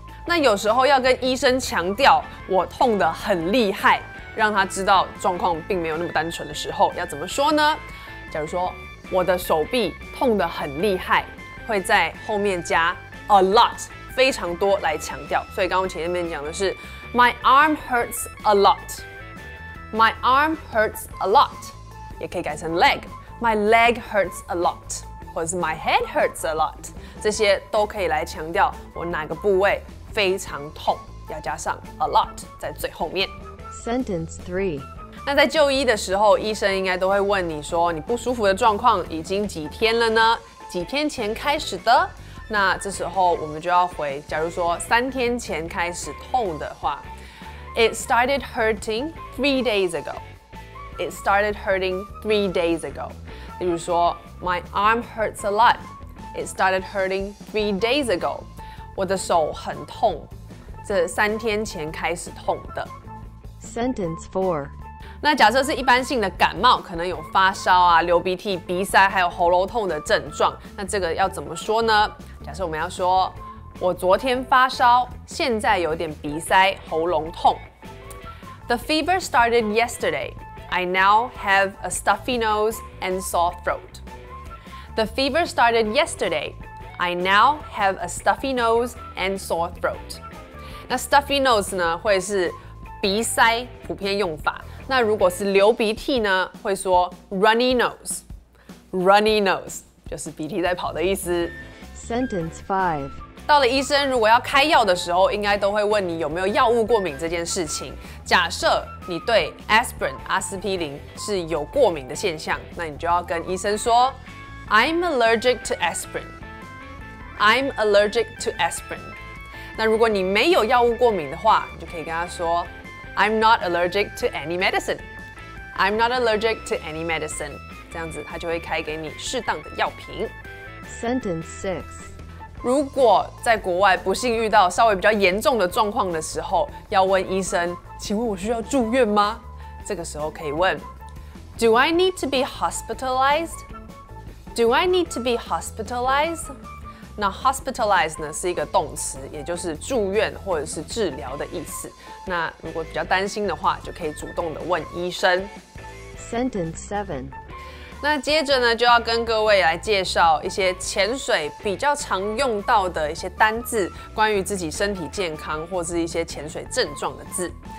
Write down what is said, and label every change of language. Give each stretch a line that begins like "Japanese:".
Chinese: 那有时候要跟医生强调我痛得很厉害，让他知道状况并没有那么单纯的时候，要怎么说呢？假如说我的手臂痛得很厉害。会在后面加
English: a lot，
Chinese: 非常多来强调。所以刚刚前面讲的是
English: my arm hurts a lot，
Chinese: my arm hurts a lot， 也可以改成 leg， my leg hurts a lot， 或者是 my head hurts a lot， 这些都可以来强调我哪个部位非常痛，要加上 a lot 在最后面。
English: Sentence three。
Chinese: 那在就医的时候，医生应该都会问你说你不舒服的状况已经几天了呢？几天前开始的，那这时候我们就要回。假如说三天前开始痛的话 ，
English: It started hurting 3 days ago. It started hurting 3 days ago.
Chinese: 例如说
English: ，My arm hurts a lot. It started hurting 3 days ago.
Chinese: 我的手很痛，这三天前开始痛的。
English: Sentence four.
Chinese: 那假设是一般性的感冒，可能有发烧啊、流鼻涕、鼻塞，还有喉咙痛的症状。那这个要怎么说呢？假设我们要说，我昨天发烧，现在有点鼻塞、喉咙痛。
English: The fever started yesterday. I now have a stuffy nose and sore throat. The fever started yesterday. I now have a stuffy nose and sore throat.
Chinese: 那 stuffy nose 呢，会是鼻塞普遍用法。那如果是流鼻涕呢，会说 runny nose， runny nose 就是鼻涕在跑的意思。
English: Sentence five，
Chinese: 到了医生如果要开药的时候，应该都会问你有没有药物过敏这件事情。假设你对 aspirin 阿司匹林是有过敏的现象，那你就要跟医生说
English: I'm allergic to aspirin，
Chinese: I'm allergic to aspirin。那如果你没有药物过敏的话，你就可以跟他说
English: I'm not allergic to any medicine. I'm not allergic to any medicine.
Chinese: 这样子，他就会开给你适当的药品。
English: Sentence six.
Chinese: 如果在国外不幸遇到稍微比较严重的状况的时候，要问医生，请问我需要住院吗？这个时候可以问
English: ，Do I need to be hospitalized? Do I need to be hospitalized?
Chinese: 那 hospitalized 呢是一个动词，也就是住院或者是治疗的意思。那如果比较担心的话，就可以主动的问医生。
English: Sentence seven。
Chinese: 那接着呢，就要跟各位来介绍一些潜水比较常用到的一些单字，关于自己身体健康或是一些潜水症状的字。